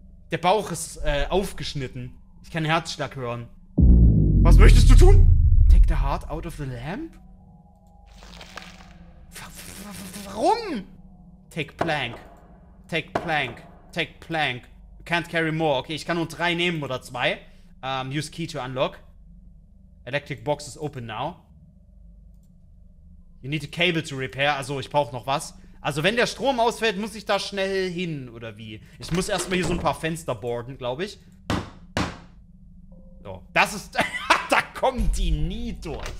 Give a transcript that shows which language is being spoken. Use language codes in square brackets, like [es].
[de] Der Bauch ist aufgeschnitten. Ich kann den Herzschlag hören. Was möchtest du tun? [en] Take the heart out of the lamp? [de] Warum? [en] Take plank. You can't carry more. [de] Okay, ich kann nur drei nehmen oder zwei. [en] Use key to unlock. Electric box is open now. You need a cable to repair. [de] Also, ich brauche noch was. Also, wenn der Strom ausfällt, muss ich da schnell hin, oder wie? Ich muss erstmal hier so ein paar Fenster boarden, glaube ich. So, das ist... Da kommen die nie durch.